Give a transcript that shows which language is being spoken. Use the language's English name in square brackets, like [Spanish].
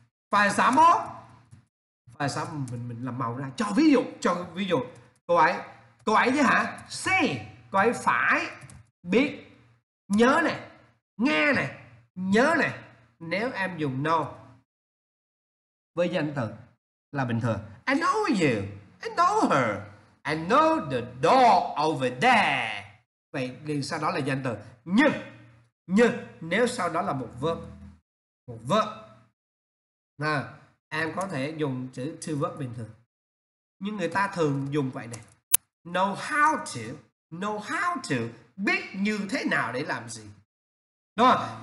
[Vietnamese] Phải xám mình làm màu ra. Cho ví dụ cô ấy chứ hả? See, cô ấy phải biết nhớ này, nghe này, nhớ này. Nếu em dùng know với danh từ là bình thường. [English] I know you, I know her, I know the door over there. [Vietnamese] Vậy thì sau đó là danh từ. Nhưng nếu sau đó là một verb À, em có thể dùng chữ to verb bình thường. Nhưng người ta thường dùng vậy này. [English] Know how to [Vietnamese] biết như thế nào để làm gì. Đúng không?